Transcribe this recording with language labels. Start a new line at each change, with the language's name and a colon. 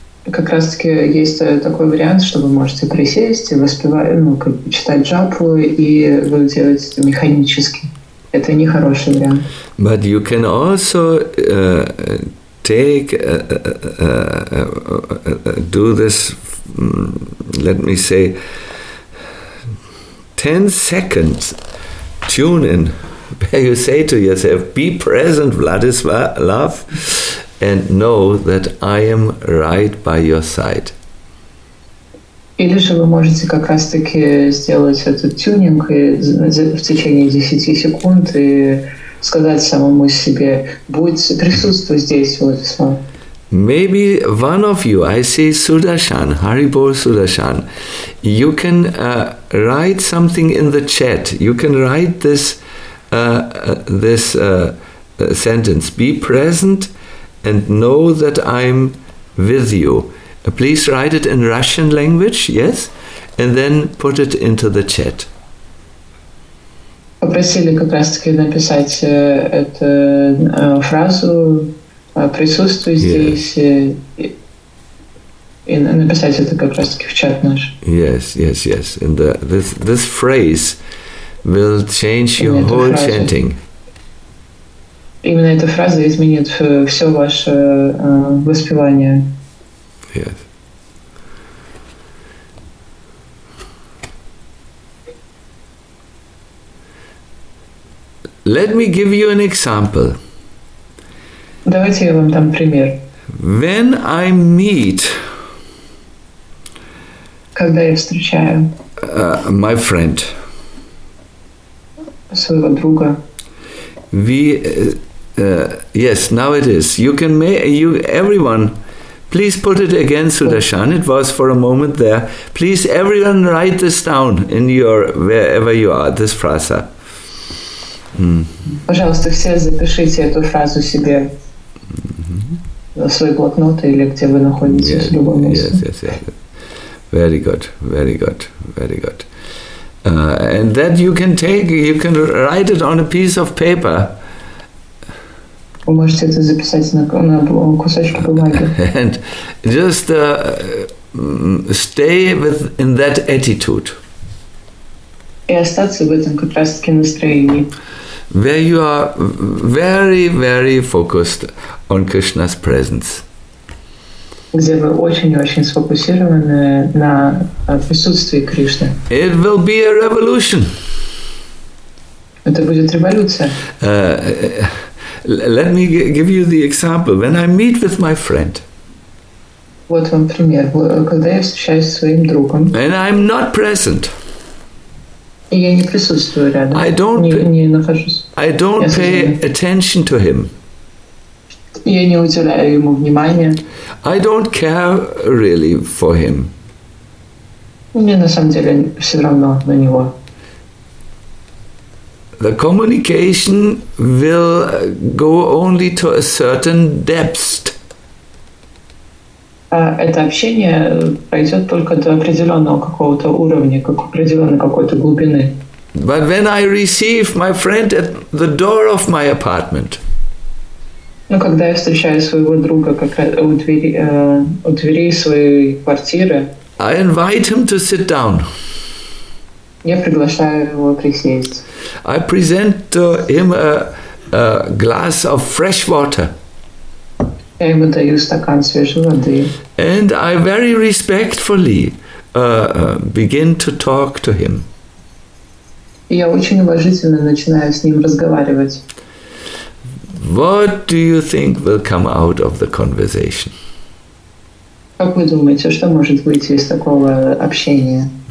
Russian: Как раз таки есть такой вариант, что вы можете присесть и воспевать, ну, читать джапу, и вы делаете это механически. Это нехороший вариант.
English: But you can also take do this, let me say, 10 seconds tune in, where you say to yourself, be present, Vladislav, and know that I am right by your side.
Russian: Или же вы можете как раз таки сделать этот тюнинг в течение 10 секунд и сказать самому себе, будь присутствуй здесь, Владислав.
English: Maybe one of you, I see Sudarshan, Haribol Sudarshan, you can write something in the chat. You can write this sentence. Be present and know that I'm with you. Please write it in Russian language, yes? And then put it into the chat.
Russian: Попросили как раз таки написать эту фразу. Присутствуй здесь, yes. И написать это как раз таки в чат наш.
English: Yes, yes, yes. And this phrase will change your whole chanting.
Russian: Именно эта фраза изменит все ваше воспевание.
English: Yes. Let me give you an example.
Russian: Давайте я вам дам пример.
English: When I meet,
Russian: когда я встречаю
English: my friend,
Russian: своего друга.
English: We yes, now it is. You can make you everyone. Please put it again, Sudarshan. It was for a moment there. Please, everyone, write this down in your wherever you are. This phrase.
Russian: Пожалуйста, все запишите эту фразу себе. Свои блокноты или где вы находитесь, в любом месте.
English: Yes. Very good, very good, very good. And that you can take, you can write it on a piece of paper.
Russian: Вы можете это записать на кусочек бумаги.
English: And just stay with in that attitude.
Russian: И остаться в этом как раз таки настроении.
English: Where you are very, very focused on Krishna's presence.
Russian: Где вы очень-очень сфокусированы на присутствии Кришны.
English: It will be a revolution.
Russian: Это будет революция.
English: Let me give you the example. When I meet with my friend.
Russian: Вот вам пример. Когда я встречаюсь со своим другом.
English: And I'm not present.
Russian: И я не присутствую рядом.
English: I don't
Russian: не нахожусь.
English: I don't pay attention to him.
Russian: Я не уделяю ему внимания.
English: I don't care really for him.
Russian: Мне на самом деле все равно на него.
English: The communication will go only to a certain depth.
Russian: Это общение пойдет только до определенного какого-то уровня, определенной какой-то глубины.
English: But when I receive my friend at the door of my apartment.
Russian: Ну, когда я встречаю своего друга как у двери своей квартиры.
English: I invite him to sit down.
Russian: Я приглашаю его присесть.
English: I present to him a glass of fresh water.
Russian: Я ему даю стакан свежей воды.
English: And I very respectfully begin to talk to him.
Russian: Я очень уважительно начинаю с ним разговаривать.
English: What do you think will come out of the conversation?
Russian: Как вы думаете, что может выйти из такого общения?